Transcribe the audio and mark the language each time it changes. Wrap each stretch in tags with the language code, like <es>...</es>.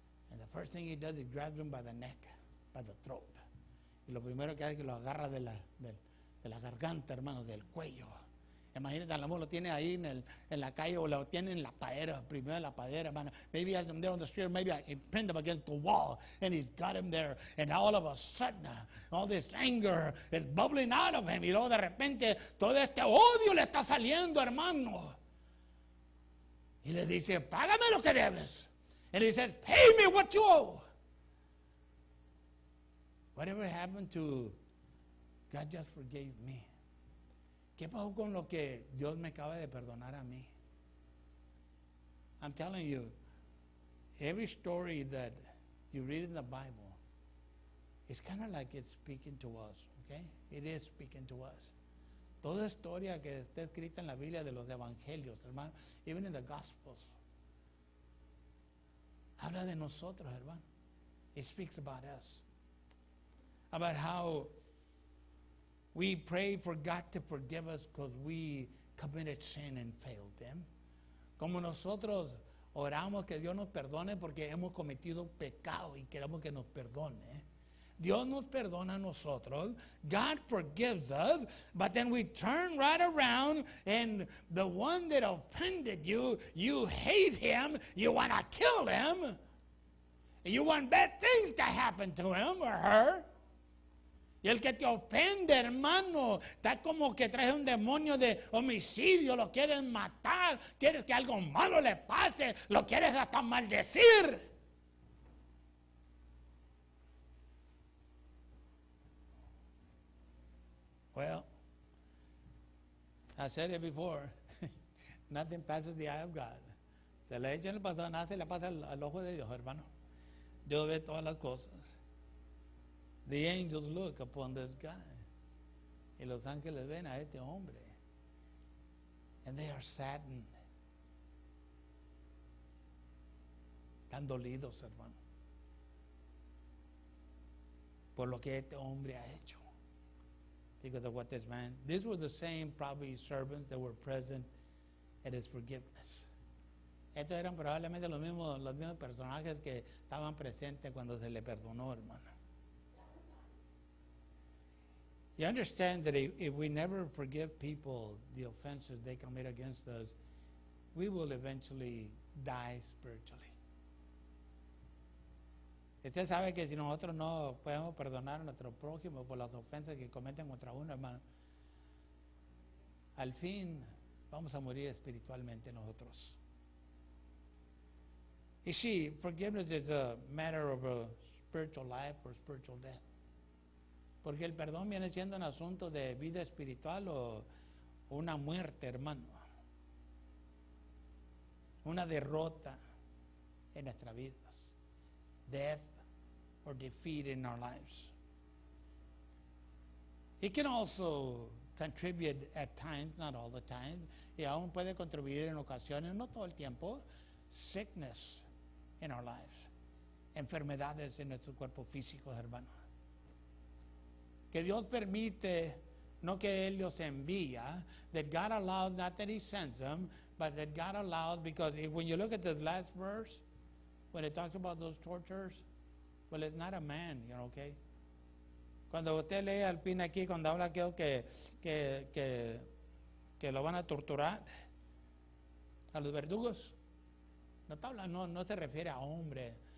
<en>And the first thing he does is grabs him by the neck, by the throat.</en> <es>Y lo primero que hace es que lo agarra de la garganta, hermano, del cuello. Imagínate, a lo mejor lo tiene ahí en la calle, o lo tiene en la padera, primero en la padera, hermano.</es> <en>Maybe he has him there on the street, maybe he pinned him against the wall, and he's got him there. And all of a sudden, all this anger is bubbling out of him.</en> <es>Y luego de repente, todo este odio le está saliendo, hermano. Y le dice, págame lo que debes.</es> <en>And he says, pay me what you owe. Whatever happened to God just forgave me.</en> <es>¿Qué pasó con lo que Dios me acaba de perdonar a mí?</es> <en>I'm telling you, every story that you read in the Bible, it's kind of like it's speaking to us, okay? It is speaking to us.</en> <es>Toda historia que está escrita en la Biblia de los evangelios, hermano,</es> <en>even in the Gospels,</en> <es>habla de nosotros, hermano.</es> <en>It speaks about us. About how we pray for God to forgive us because we committed sin and failed Him.</en> <es>Como nosotros oramos que Dios nos perdone porque hemos cometido pecado y queremos que nos perdone. Dios nos perdona a nosotros.</es> <en>God forgives us, but then we turn right around and the one that offended you, you hate him, you want to kill him, and you want bad things to happen to him or her.</en> <es>Y el que te ofende, hermano, está como que trae un demonio de homicidio, lo quieres matar, quieres que algo malo le pase, lo quieres hasta maldecir.</es> <en>Well, I said it before, nothing passes the eye of God.</en> <es>Se le echa en el pasado, nada se le pasa al ojo de Dios, hermano. Dios ve todas las cosas.</es> <en>The angels look upon this guy.</en> <es>Y los ángeles ven a este hombre.</es> <en>And they are saddened.</en> <es>Están dolidos, hermano. Por lo que este hombre ha hecho.</es> <en>Because of what this man. These were the same probably servants that were present at his forgiveness.</en> <es>Estos eran probablemente los mismos personajes que estaban presentes cuando se le perdonó, hermano.</es> <en>You understand that if we never forgive people the offenses they commit against us, we will eventually die spiritually.</en> <es>Usted sabe que si nosotros no podemos perdonar a nuestro prójimo por las ofensas que cometen contra uno, hermano, al fin vamos a morir espiritualmente nosotros.</es> <en>You see, forgiveness is a matter of a spiritual life or spiritual death.</en> <es>Porque el perdón viene siendo un asunto de vida espiritual o una muerte, hermano. Una derrota en nuestras vidas.</es> <en>Death or defeat in our lives. It can also contribute at times, not all the time.</en> <es>Y aún puede contribuir en ocasiones, no todo el tiempo.</es> <en>Sickness in our lives.</en> <es>Enfermedades en nuestro cuerpo físico, hermano. Que Dios permite, no que Él los envía,</es> <en>that God allowed, not that He sends them, but that God allowed, because if, when you look at this last verse, when it talks about those tortures, well, it's not a man, you know, okay?</en> <es>Cuando usted lee al fin aquí, cuando habla aquello que lo van a torturar, a los verdugos, no se refiere a hombre.</es>